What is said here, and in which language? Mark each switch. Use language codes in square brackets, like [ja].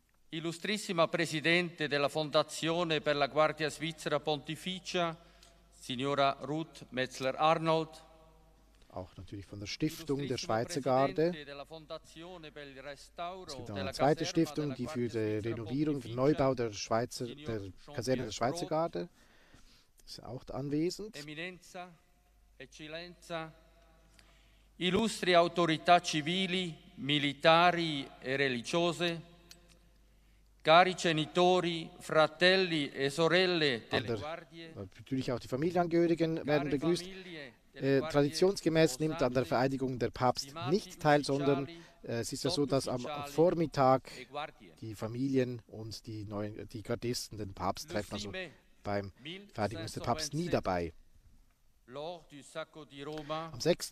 [it] Illustrissima Presidente della Fondazione per la Guardia Svizzera Pontificia, Signora Ruth Metzler-Arnold. [de] Auch natürlich von der Stiftung der Schweizer Garde. Es gibt auch eine zweite Stiftung, die für die Renovierung, für den Neubau der Kaserne der Schweizer Garde ist auch anwesend. [it] Eminenza, Eccellenza, illustri autorità civili, militari e religiose. Cari genitori, fratelli e sorelle delle Guardie. [de] Natürlich auch die Familienangehörigen werden begrüßt. Traditionsgemäß nimmt an der Vereidigung der Papst nicht teil, sondern es ist ja so, dass am Vormittag die Familien und die Gardisten den Papst treffen. Also beim Vereidigung ist der Papst nie dabei. Am 6.